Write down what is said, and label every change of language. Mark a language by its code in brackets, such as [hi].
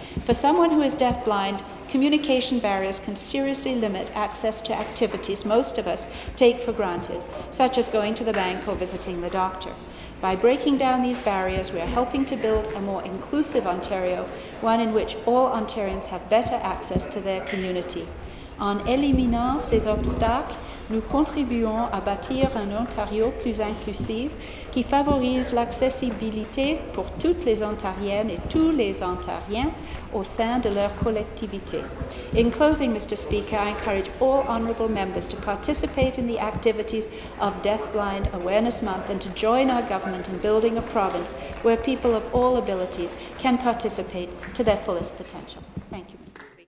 [en] For someone who is deafblind, communication barriers can seriously limit access to activities most of us take for granted, such as going to the bank or visiting the doctor. By breaking down these barriers, we are helping to build a more inclusive Ontario, one in which all Ontarians have better access to their community. [fr] En éliminant ces obstacles, nous contribuons à bâtir un Ontario plus inclusif qui favorise l'accessibilité pour toutes les Ontariennes et tous les Ontariens au sein de leur collectivité. [en] In closing, Mr. Speaker, I encourage all honourable members to participate in the activities of Deafblind Awareness Month and to join our government in building a province where people of all abilities can participate to their fullest potential. Thank you, Mr. Speaker.